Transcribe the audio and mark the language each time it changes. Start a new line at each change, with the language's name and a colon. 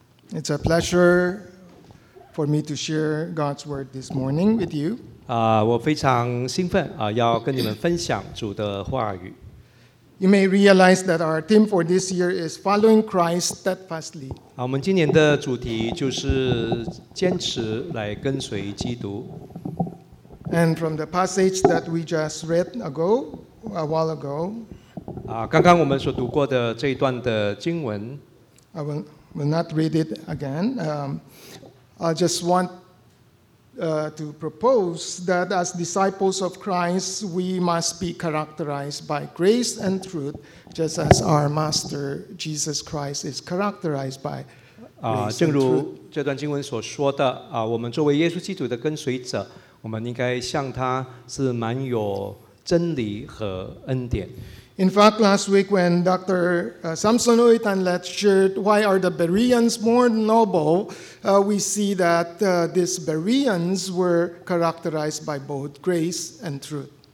English: It's a pleasure for me to share God's word this morning with you.
Chinese: 我非常兴奋, 要跟你们分享主的话语。
English: You may realize that our theme for this year is following Christ steadfastly.
Chinese: 我们今年的主题就是坚持来跟随基督。
English: And from the passage that we just read ago, a while ago,
Chinese: 刚刚我们所读过的这一段的经文,
English: I will not read it again. I just want to propose that as disciples of Christ, we must be characterized by grace and truth, just as our Master Jesus Christ is characterized by grace and truth.
Chinese: 正如这段经文所说的, 我们作为耶稣基督的跟随者, 我们应该向他是满有真理和恩典。
English: In fact, last week when Dr. Samson Oitan lectured, why are the Bereans more noble? We see that these Bereans were characterized by both grace and truth.